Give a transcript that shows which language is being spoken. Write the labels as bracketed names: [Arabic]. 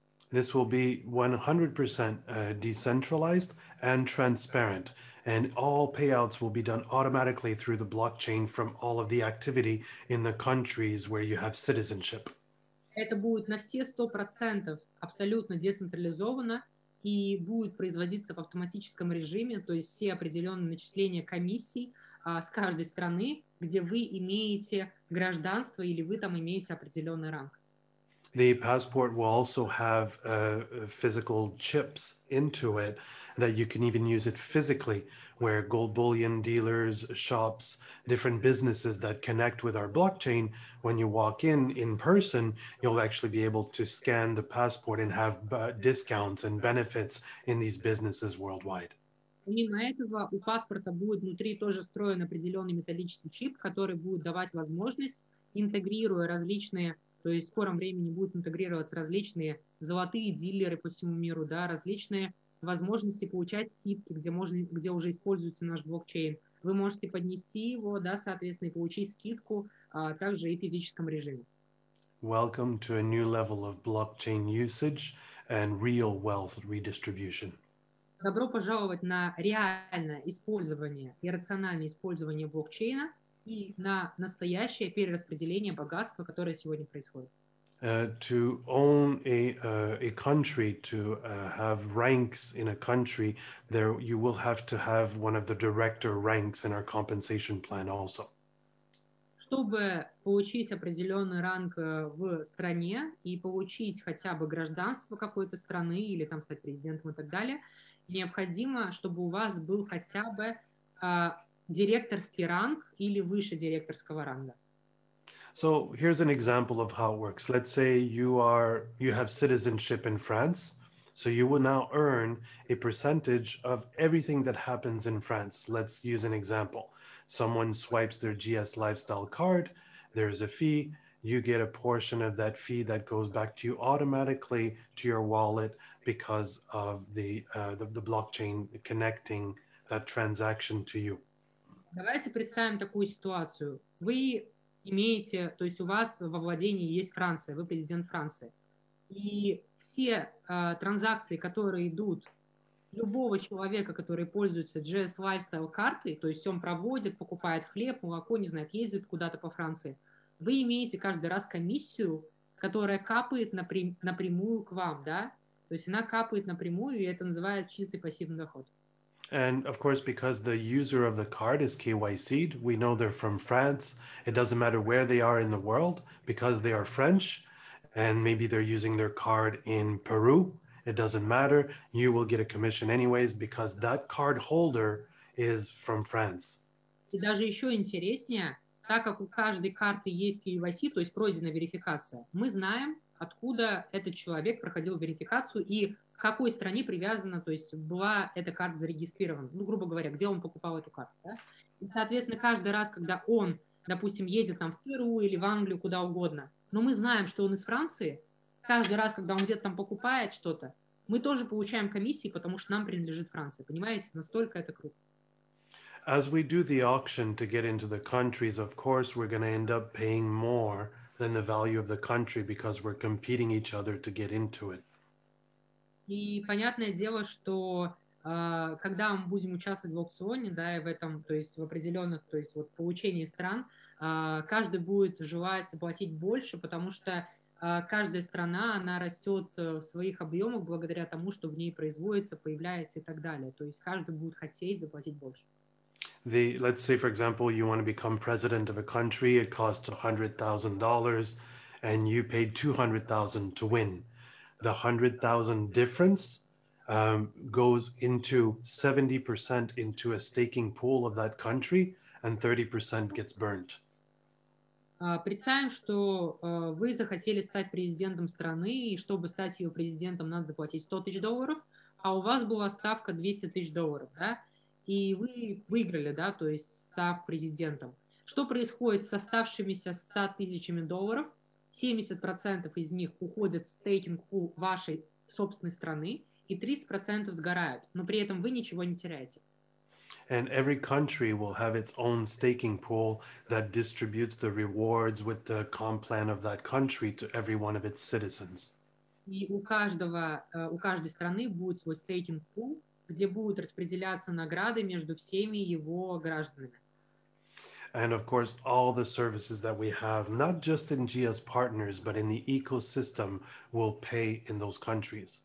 [English] This will be 100% decentralized and transparent, and all payouts will be done automatically through the blockchain from all of the activity in the countries where you have citizenship. [Russian] Это будет на все 100% абсолютно децентрализовано и будет производиться в автоматическом режиме, то есть все определенные начисления комиссий с каждой страны, где вы имеете гражданство или вы там имеете определенный ранг. [English] The passport will also have physical chips into it that you can even use it physically, where gold bullion dealers, shops, different businesses that connect with our blockchain, when you walk in person, you'll actually be able to scan the passport and have discounts and benefits in these businesses worldwide. [Russian] Помимо этого, у паспорта будет внутри тоже встроен определенный металлический чип, который будет давать возможность, интегрируя различные, то есть в скором времени будут интегрироваться различные золотые дилеры по всему миру, да, различные возможности получать скидки, где уже используется наш блокчейн. Вы можете поднести его, да, соответственно, и получить скидку, также и в физическом режиме. [English] Welcome to a new level of blockchain usage and real wealth redistribution. [Russian] Добро пожаловать на реальное использование и рациональное использование блокчейна и на настоящее перераспределение богатства, которое сегодня происходит. [English] To own a country, to have ranks in a country, there you will have to have one of the director ranks in our compensation plan also. [Russian] Чтобы получить определенный ранг в стране и получить хотя бы гражданство какой-то страны или там стать президентом и так далее, необходимо, чтобы у вас был хотя бы директорский ранг или выше директорского ранга. [English] So here's an example of how it works. Let's say you have citizenship in France, so you will now earn a percentage of everything that happens in France. Let's use an example. Someone swipes their GS lifestyle card, there's a fee, you get a portion of that fee that goes back to you automatically to your wallet because of the blockchain connecting that transaction to you. [Russian] Давайте представим такую ситуацию. Вы имеете, то есть у вас во владении есть Франция, вы президент Франции. И все транзакции, которые идут любого человека, который пользуется GS Lifestyle картой, то есть он проводит, покупает хлеб, молоко, не знаю, ездит куда-то по Франции, вы имеете каждый раз комиссию, которая капает напрямую к вам, да? То есть она капает напрямую, и это называется чистый пассивный доход. [English] And of course, because the user of the card is KYC'd, we know they're from France. It doesn't matter where they are in the world, because they are French, and maybe they're using their card in Peru. It doesn't matter. You will get a commission anyways, because that card holder is from France. [Russian] И даже еще интереснее, так как у каждой карты есть KYC, то есть пройдена верификация, мы знаем, откуда этот человек проходил верификацию и в какой стране привязана, то есть была эта карта зарегистрирована, ну, грубо говоря, где он покупал эту карту, да? И, соответственно, каждый раз, когда он, допустим, едет там в Перу или в Англию, куда угодно, но мы знаем, что он из Франции, каждый раз, когда он где-то там покупает что-то, мы тоже получаем комиссии, потому что нам принадлежит Франция, понимаете? Настолько это круто. [English] As we do the auction to get into the countries, of course, we're going to end up paying more than the value of the country because we're competing each other to get into it. [Russian] И понятное дело, что когда мы будем участвовать в аукционе, да, и в этом, то есть в определенных, то есть вот получении стран, каждый будет желать заплатить больше, потому что каждая страна, она растет в своих объемах благодаря тому, что в ней производится, появляется и так далее. То есть каждый будет хотеть заплатить больше. [English] The, let's say, for example, you want to become president of a country, it costs $100,000, and you paid $200,000 to win. The $100,000 difference goes into 70% into a staking pool of that country, and 30% gets burnt. [Russian] Представим, что вы захотели стать президентом страны, и чтобы стать ее президентом, надо заплатить $100,000, а у вас была ставка $200,000, да? И вы выиграли, да, то есть став президентом. Что происходит с оставшимися $100,000? 70% из них уходят в стейкинг пул вашей собственной страны, и 30% сгорают, но при этом вы ничего не теряете. [English] And every country will have its own staking pool that distributes the rewards with the comp plan of that country to every one of its citizens. [Russian] И у каждой страны будет свой стейкинг пул, где будут распределяться награды между всеми его гражданами. [English] And of course, all the services that we have, not just in GS Partners, but in the ecosystem, will pay in those countries.